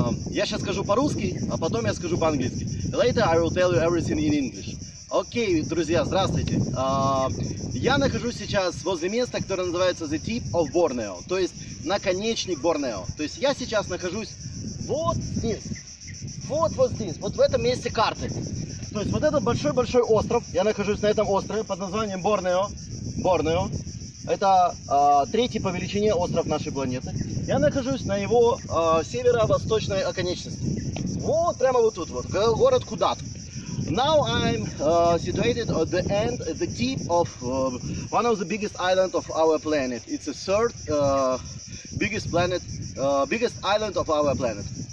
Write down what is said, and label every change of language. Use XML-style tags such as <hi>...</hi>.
<ru>Я сейчас скажу по-русски, а потом я скажу по-английски.</ru> <en>Later I will tell you everything in English.</en> <ru>Окей, друзья, здравствуйте. Я нахожусь сейчас возле места, которое называется The Tip of Borneo, то есть наконечник Борнео. То есть я сейчас нахожусь вот здесь. Вот здесь, вот в этом месте карты. То есть вот этот большой-большой остров, я нахожусь на этом острове под названием Борнео. Борнео. Это третий по величине остров нашей планеты. Я нахожусь на его северо-восточной оконечности. Вот прямо вот тут вот, город Кудат.</ru> <en>Now I'm situated at the end, at the tip of one of the biggest island of our planet. It's the third biggest planet, biggest island of our planet.</en>